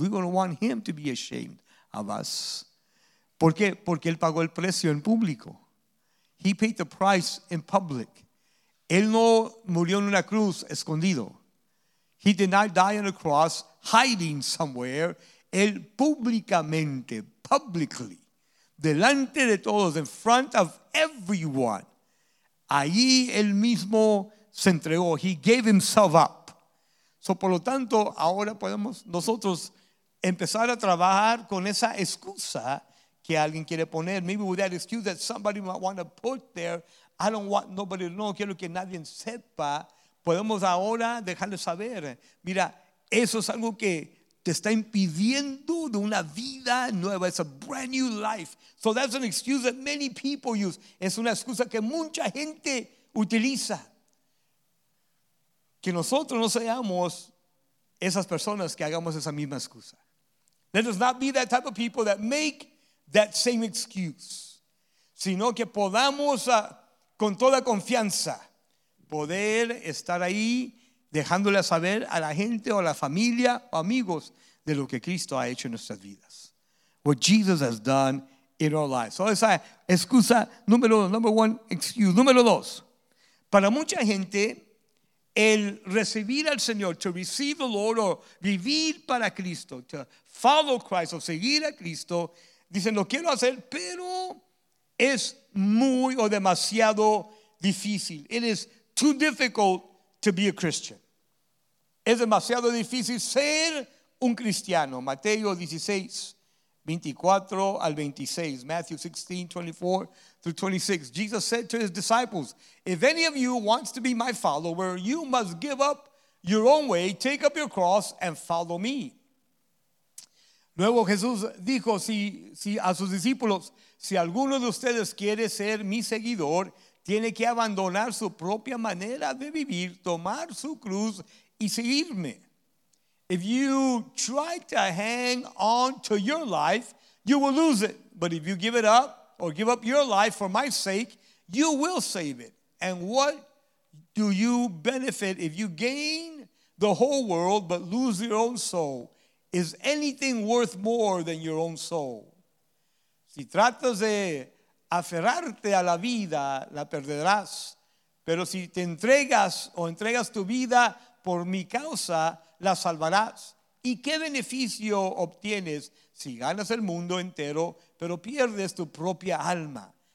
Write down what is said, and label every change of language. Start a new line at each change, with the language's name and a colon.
English: We don't want him to be ashamed of us.
Spanish: ¿Por qué? Porque él pagó el precio en público.
English: He paid the price in public.
Spanish: Él no murió en una cruz escondido.
English: He did not die on a cross hiding somewhere.
Spanish: Él públicamente,
English: publicly,
Spanish: delante de todos,
English: in front of everyone,
Spanish: allí él mismo se entregó.
English: He gave himself up. So,
Spanish: por lo tanto, ahora podemos nosotros empezar a trabajar con esa excusa que alguien quiere poner.
English: Maybe with that excuse that somebody might want to put there, I don't want nobody to know,
Spanish: quiero que nadie sepa. Podemos ahora dejarle saber, mira, eso es algo que te está impidiendo de una vida nueva.
English: It's a brand new life. So that's an excuse that many people use.
Spanish: Es una excusa que mucha gente utiliza. Que nosotros no seamos esas personas que hagamos esa misma excusa.
English: Let us not be that type of people that make that same excuse.
Spanish: Sino que podamos con toda confianza poder estar ahí dejándole saber a la gente o a la familia o amigos de lo que Cristo ha hecho en nuestras vidas.
English: What Jesus has done in our lives. So
Spanish: esa excusa,
English: number one excuse.
Spanish: Número dos, para mucha gente El recibir al Señor,
English: to receive the Lord,
Spanish: or vivir para Cristo,
English: to follow Christ,
Spanish: o seguir a Cristo, dicen, lo quiero hacer, pero es muy o demasiado difícil.
English: It is too difficult to be a Christian.
Spanish: Es demasiado difícil ser un cristiano. Mateo 16, 24 al 26.
English: Matthew 16, 24 through 26. Jesus said to his disciples, if any of you wants to be my follower, you must give up your own way, take up your cross, and follow me.
Spanish: Luego Jesús dijo si a sus discípulos, si alguno de ustedes quiere ser mi seguidor, tiene que abandonar su propia manera de vivir, tomar su cruz y seguirme.
English: If you try to hang on to your life, you will lose it. But if you give it up or give up your life for my sake, you will save it. And what do you benefit if you gain the whole world but lose your own soul? Is anything worth more than your own soul?
Spanish: Si tratas de aferrarte a la vida, la perderás. Pero si te entregas o entregas tu vida por mi causa, la salvarás. ¿Y qué beneficio obtienes si ganas el mundo entero, pero pierdes tu propia alma?